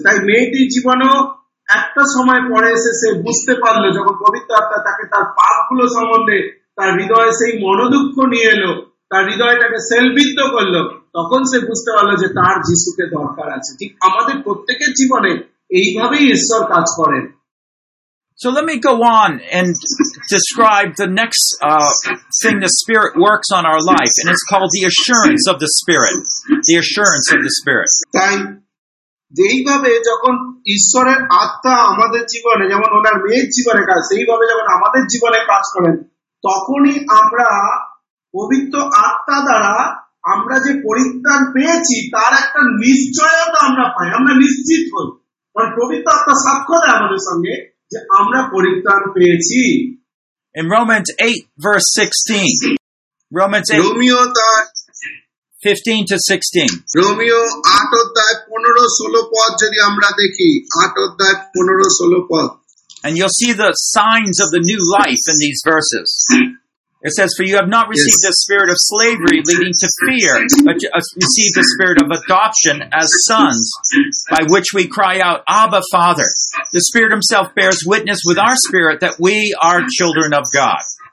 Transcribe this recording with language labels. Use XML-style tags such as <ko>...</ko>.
<bn>তাই মেয়েটির জীবনেও একটা সময় পরে এসে সে বুঝতে পারলো, যখন পবিত্র আত্মা তাকে তার পাপগুলো সম্বন্ধে তার হৃদয়ে সেই মনোদুঃখ নিয়ে এলো, তার হৃদয়টাকে সেলবিদ্ধ করলো, তখন সে বুঝতে পারলো যে তার যিশুকে দরকার আছে। ঠিক আমাদের প্রত্যেকের জীবনে এইভাবেই ঈশ্বর কাজ করেন।</bn> <en>So let me go on and describe the next thing the Spirit works on our life, and it's called the assurance of the Spirit. The assurance of the Spirit.</en> <bn>তাই যেইভাবে যখন ঈশ্বরের আত্মা আমাদের জীবনে, যেমন ওনার মেয়ের জীবনে কাজ, সেইভাবে যখন আমাদের জীবনে কাজ করেন, তখনই আমরা পবিত্র আত্মা দ্বারা আমরা যে পরিত্রাণ পেয়েছি তার একটা নিশ্চয়তা আমরা পাই, আমরা নিশ্চিত হই, মানে পবিত্র আত্মা সাক্ষ্য দেয় আমাদের সঙ্গে যে আমরা পরিত্রাণ পেয়েছি।</bn> <en>In Romans 8 verse 16, Romans 8 Romeo 15-16</en> <bn>Romeo 8 অধ্যায় 15 16 পদ যদি আমরা দেখি, 8 অধ্যায় 15 16 পদ,</bn> <en>and you'll see the signs of the new life in these verses. It says, for you have not received the spirit of slavery leading to fear, but you have received the spirit of adoption as sons, by which we cry out, Abba, Father. The Spirit himself bears witness with our spirit that we are children of God.</en>